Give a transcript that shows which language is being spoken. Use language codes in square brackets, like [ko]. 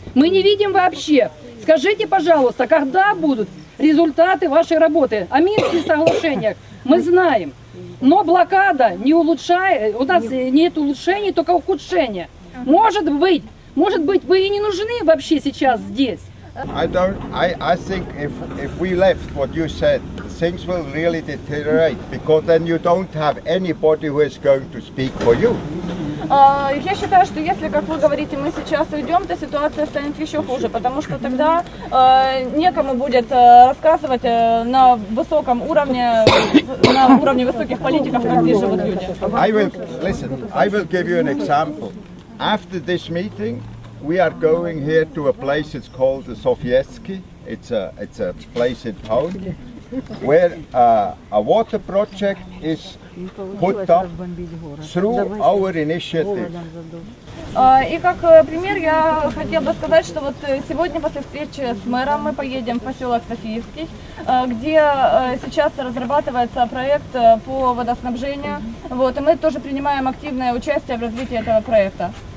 [ru] Мы не видим вообще. Скажите, пожалуйста, когда будут результаты вашей работы? О Минских соглашениях мы знаем, но блокада не улучшает, у нас нет улучшений, только ухудшения. Может быть, вы и не нужны вообще сейчас здесь. [en] I think if we left what you said, things will really deteriorate, because then you don't have anybody who is going to speak for you. [ru] Я считаю, что если, как вы говорите, мы сейчас уйдем, то ситуация станет еще хуже, потому что тогда некому будет рассказывать на высоком уровне, на уровне высоких политиков, как здесь живут люди. [en] I will give you an example. After this meeting, we are going here to a place, it's called the Sofievsky, it's a place in Poland, where a water project is put up through our initiative. [ru] И как пример я хотел бы сказать, что вот сегодня после встречи с мэром мы поедем в поселок Софиевский, где сейчас разрабатывается проект по водоснабжению, вот, и мы тоже принимаем активное участие в развитии этого проекта.